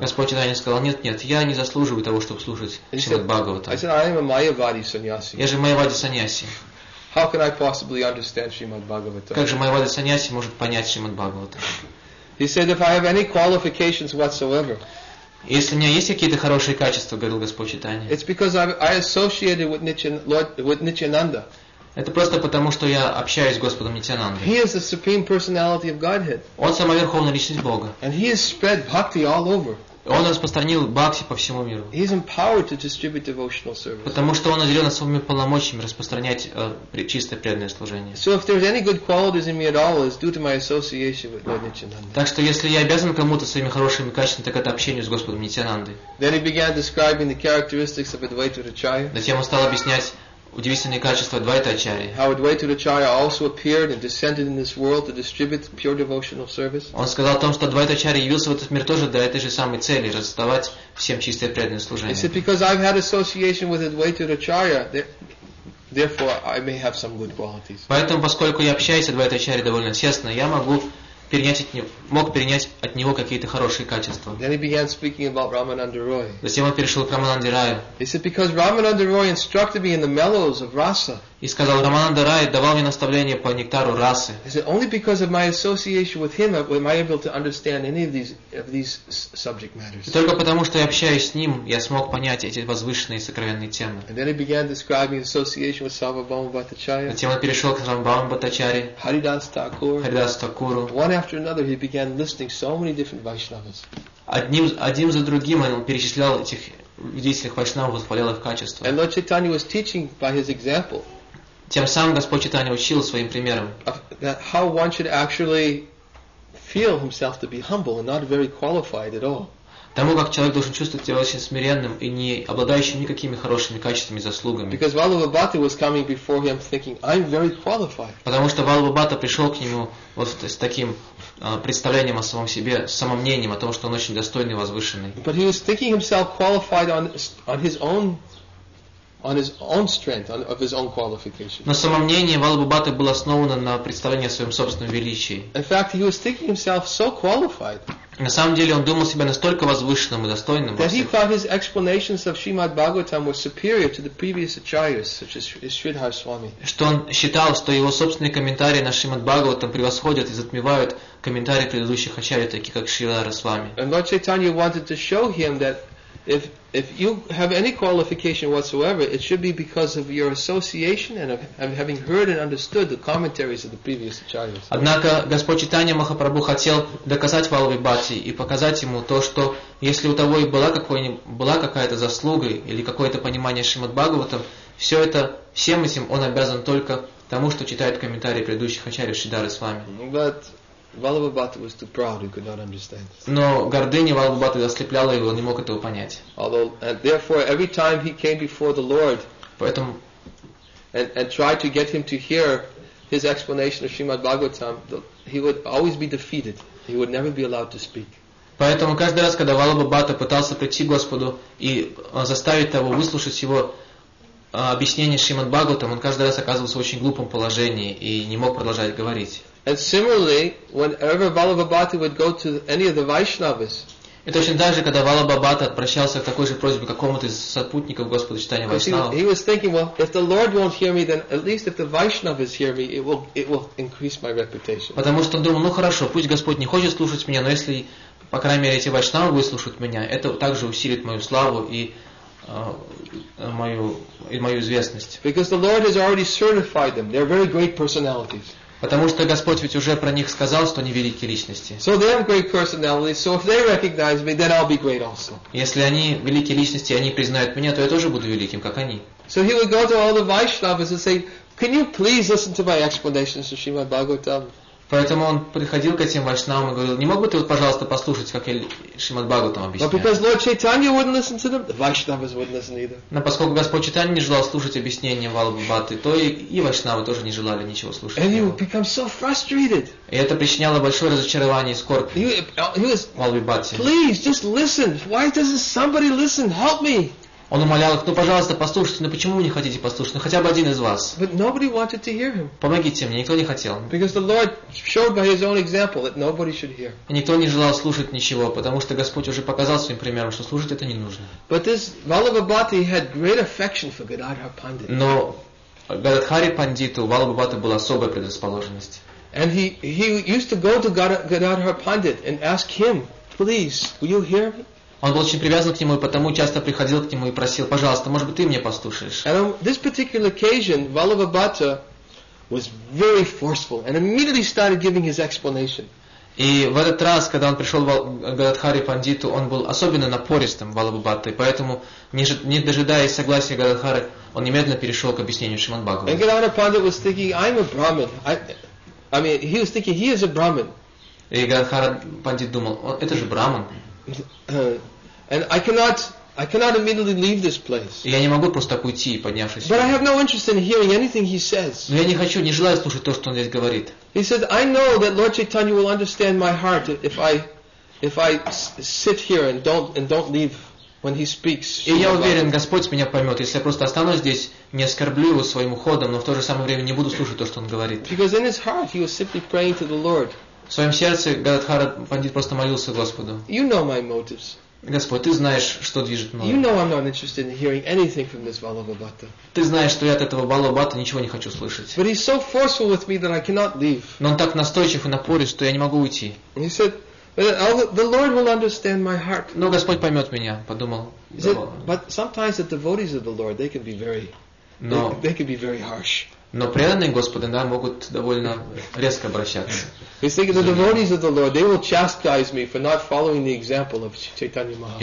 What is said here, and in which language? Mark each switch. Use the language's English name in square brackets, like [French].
[Russian] Господь Чайтанья сказал, нет, я не заслуживаю того, чтобы слушать Шримад Бхагаватам. [English] I said, I am a Mayavadi sannyasi. [Russian] Я же Майявади саньяси. [English] How can I possibly understand Srimad Bhagavatam? [Russian] Как же Майявади саньяси может понять Шримад Бхагаватам? [English] He said, if I have any qualifications whatsoever, [Russian] если у меня есть какие-то хорошие качества, говорил Господь Чайтанья, [English] it's because I associated with Nityananda. [Russian] Это просто потому, что я общаюсь с Господом Нитянандой. [English] He is the supreme personality of Godhead. [Russian] Он сама верховная личность Бога. [English] And he has spread bhakti all over. [Russian] Он распространил бхакти по всему миру. [English] He is empowered to distribute devotional service. [Russian] Потому что он наделен своими полномочиями распространять чистое преданное служение. [English] So if there's any good qualities in me at all, it's due to my association with Lord Nityananda. [Russian] Так что если я обязан кому-то своими хорошими качествами, так это общение с Господом Нитянандой. [English] Then he began describing the characteristics of Advaita Acharya. [Russian] Затем он стал объяснять удивительные качества Двайта Ачарьи. [English] How Advaita Acharya also appeared and descended in this world to distribute pure devotional service. [Russian] Он сказал о том, что Двайта Ачарьи явился в этот мир тоже для этой же самой цели, раздавать всем чистое преданное служение. [English] He said, because I've had association with Advaita Acharya, therefore I may have some good qualities. [Russian] Поэтому, поскольку я общаюсь с Двайта Ачарьи довольно тесно, я мог перенять от него какие-то хорошие качества. [English] Then he began speaking about Ramananda Roy. [Russian] Затем он перешел к Рамананде Раю. [English] He said, because Ramananda Roy instructed me in the mellows of rasa. [Russian] И сказал, Рамананда Рай давал мне наставления по нектару расы. [English] He said, only because of my association with him am I able to understand any of these subject matters. [Russian] И только потому, что я общаюсь с ним, я смог понять эти возвышенные сокровенные темы. [English] And then he began describing association with Sarvabhauma Bhattacharya. [Russian] Затем он перешел к Сарвабхаума Бхаттачарье. [English] Haridas Thakur. [Russian] Haridas Thakuru. [English] One after another, he began listing so many different Vaishnavas. [Russian] Одним за другим он перечислял этих удивительных Вайшнавов, восхвалял их качества. [English] And Lord Chaitanya was teaching by his example. [Russian] Тем самым Господь Чайтанья учил своим примером. [English] How one should actually feel himself to be humble and not very qualified at all. [Russian] Тому, как человек должен чувствовать себя очень смиренным и не обладающим никакими хорошими качествами и заслугами. [English] Because Valabhabhata was coming before him thinking, I'm very qualified. [Russian] Потому что Валабхабхатта пришел к нему вот с таким представлением о самом себе, с самомнением о том, что он очень достойный и возвышенный. [English] But he was thinking himself qualified on his own strength, of his own qualification. [Russian] Но самомнение Валабхабхатты было основано на представлении о своем собственном величии. [English] In fact, he was thinking himself so qualified. [Russian] На самом деле он думал себя настолько возвышенным и достойным. [English] That he thought his explanations of Srimad Bhagavatam were superior to the previous acharyas, such as Sridhar Swami. [Russian] Что он считал, что его собственные комментарии на Шримад Бхагаватам превосходят и затмевают комментарии предыдущих ачарьев, таких как Шридхар Свами. [English] And Lord Chaitanya wanted to show him that If you have any qualification whatsoever, it should be because of your association and of having heard and understood the commentaries of the previous acharyas. [Russian] Однако Господь Чайтанья Махапрабху хотел доказать Валлабхи Бхатти и показать ему то, что если у того и была какая-то заслуга или какое-то понимание Шримад Бхагаватам, все это, всем этим он обязан только тому, что читает комментарии предыдущих ачарьев Шридхары с вами. [English] Валлабхи Бхатти was too proud, he could not understand. [Russian] Но гордыня Валлабхи Бхатти ослепляла его, он не мог этого понять. [English] Although, and therefore, every time he came before the Lord, [Russian] поэтому, [English] and tried to get him to hear his explanation of Shrimad Bhagavatam, he would always be defeated. He would never be allowed to speak. [Russian] Поэтому каждый раз, когда Валлабхи Бхатти пытался прийти к Господу и заставить того выслушать его объяснение Шримад Бхагаватам, он каждый раз оказывался в очень глупом положении и не мог продолжать говорить. [English] And similarly, whenever Valabha Bhatta would go to any of the Vaishnavas, [Russian] и точно так же, когда Валабха Бхатта обращался к такой же просьбе какому-то из сопутников Господа Чайтанья Вайшнава, [English] he was thinking, well, if the Lord won't hear me, then at least if the Vaishnavas hear me, it will increase my reputation. [Russian] Потому что он думал, ну хорошо, пусть Господь не хочет слушать меня, но если, по крайней мере, эти Вайшнавы выслушают меня, это также усилит мою славу и мою известность. [English] Because the Lord has already certified them; they're very great personalities. [Russian] Потому что Господь ведь уже про них сказал, что они великие личности. [English] So they have great personalities, so if they recognize me, then I'll be great also. [Russian] Если они великие личности, они признают меня, то я тоже буду великим, как они. [English] So he would go to all the Vaishnavas and say, "Can you please listen to my explanations of Srimad Bhagavatam?" [Russian] Поэтому он приходил к этим вайшнавам и говорил, не мог бы ты, вот, пожалуйста, послушать, как я Шримад Бхагаватам объясняю? [English] But because Lord Chaitanya wouldn't listen to them, the Vaishnavas wouldn't listen either. [Russian] Но поскольку Господь Чайтанья не желал слушать объяснения Валлабхи Бхатты, то и вайшнавы тоже не желали ничего слушать. [English] And he would become so frustrated. [Russian] И это причиняло большое разочарование и скорбь Валлабхи Бхатте. [English] Please, just listen. Why doesn't somebody listen? Help me. [Russian] Он умолял их, ну, пожалуйста, послушайте, ну, почему вы не хотите послушать? Ну, хотя бы один из вас. [English] But nobody wanted to hear him. [Russian] Помогите мне, никто не хотел. [English] Because the Lord showed by his own example that nobody should hear. [Russian] И никто не желал слушать ничего, потому что Господь уже показал своим примером, что слушать это не нужно. [English] But this Valabha Bhatti had great affection for Gadadhar Pandit. [Russian] Но Гададхари Пандиту, Валабха Бхатти, была особая предрасположенность. [English] And he used to go to Gadadhar Pandit and ask him, please, will you hear me? [Russian] Он был очень привязан к нему, и потому часто приходил к нему и просил, пожалуйста, может быть, ты мне послушаешь. [English] And on this particular occasion, Valabha Bhatta was very forceful and immediately started giving his explanation. [Russian] И в этот раз, когда он пришел к Гададхари Пандиту, он был особенно напористым, Валабха Бхатта, и поэтому, не дожидаясь согласия Гададхары, он немедленно перешел к объяснению Шримад Бхагавата. [English] And Gadadhar Pandit was thinking, I'm a Brahmin. He was thinking, he is a Brahmin. [Russian] И Гададхара Пандит думал, это же Брахман. [English] And I cannot immediately leave this place. [Russian] Я не могу просто уйти, поднявшись. [English] But I have no interest in hearing anything he says. [Russian] Но я не хочу, не желаю слушать то, что он здесь говорит. [English] He said, I know that Lord Chaitanya will understand my heart if I sit here and don't leave when he speaks. [Russian] И я уверен, Господь меня поймет, если я просто останусь здесь, не оскорблю его своим уходом, но в то же самое время не буду слушать то, что он говорит. [English] Because in his heart he was simply praying to the Lord. [Russian] В своем сердце Гададхара Пандит просто молился Господу. [English] You know my motives. [Russian] Господь, ты знаешь, что движет мной. [English] You know I'm not interested in hearing anything from this Valabha Bhatta. [Russian] Ты знаешь, что я от этого Валабха Бхатты ничего не хочу слышать. [English] But he's so forceful with me that I cannot leave. [Russian] Но он так настойчив и напорист, что я не могу уйти. [English] He said, the Lord will understand my heart. [Russian] Но Господь поймет меня, подумал. [English] But sometimes the devotees of the Lord, they can be very, they can be very harsh. [Russian] Но преданные Господа, да, могут довольно резко обращаться. [English] He's thinking, the devotees of the Lord, they will chastise me for not following the example of Chaitanya Mahaprabhu.